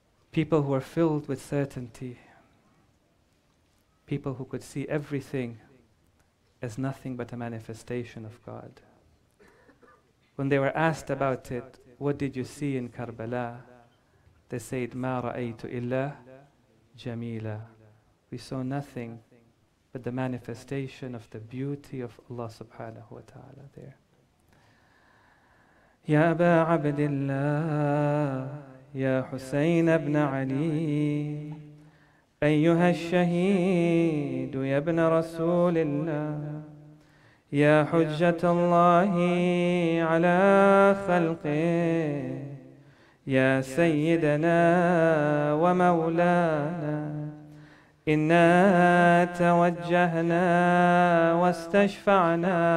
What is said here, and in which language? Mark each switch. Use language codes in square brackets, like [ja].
[en] People who are filled with certainty. People who could see everything as nothing but a manifestation of God. When they were asked about it, what did you see in Karbala? They said, [ar] مَا رَأَيْتُ إِلَّا جَمِيلًا. [en] We saw nothing but the manifestation of the beauty of Allah subhanahu wa ta'ala there. [ar] يَا أَبَا عَبْدِ اللَّهِ يا حسين ابن علي أيها الشهيد يا ابن رسول الله يا حجة الله على خلقه يا سيدنا ومولانا إنا توجهنا واستشفعنا